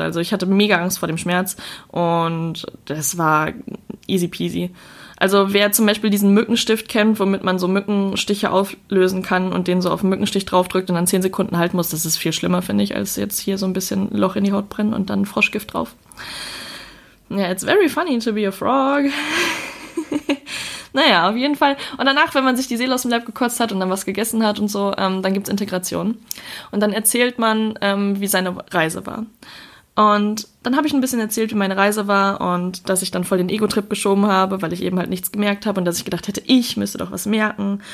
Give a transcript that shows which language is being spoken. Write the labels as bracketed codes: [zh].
[de] Also ich hatte mega Angst vor dem Schmerz und das war easy peasy. Also wer zum Beispiel diesen Mückenstift kennt, womit man so Mückenstiche auflösen kann und den so auf den Mückenstich draufdrückt und dann 10 Sekunden halten muss, das ist viel schlimmer, finde ich, als jetzt hier so ein bisschen Loch in die Haut brennen und dann Froschgift drauf. [en] Yeah, it's very funny to be a frog. [de] Naja, auf jeden Fall. Und danach, wenn man sich die Seele aus dem Leib gekotzt hat und dann was gegessen hat und so, dann gibt's Integration. Und dann erzählt man, wie seine Reise war. Und dann habe ich ein bisschen erzählt, wie meine Reise war und dass ich dann voll den Ego-Trip geschoben habe, weil ich eben halt nichts gemerkt habe und dass ich gedacht hätte, ich müsste doch was merken.